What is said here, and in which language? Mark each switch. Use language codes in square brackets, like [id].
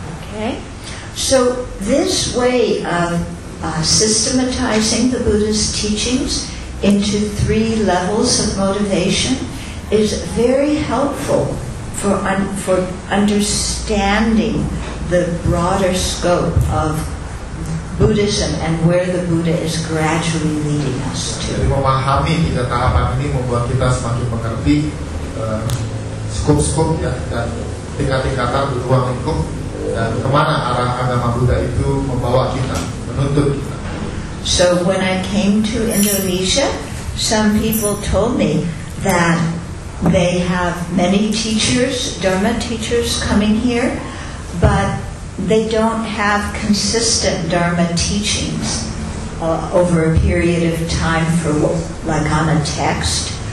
[en] Okay, so this way of systematizing the Buddha's teachings into three levels of motivation is very helpful for understanding the broader scope of Buddhism and where the Buddha is gradually leading us to. [id] Jadi memahami tiga tahapan ini membuat kita semakin mengerti skop-skop ya dan tingkat-tingkatan ruang lingkup dan kemana arah agama Buddha itu membawa kita, menuntun kita. [en] So when I came to Indonesia, some people told me that they have many teachers, Dharma teachers coming here, but they don't have consistent Dharma teachings over a period of time for like on a text.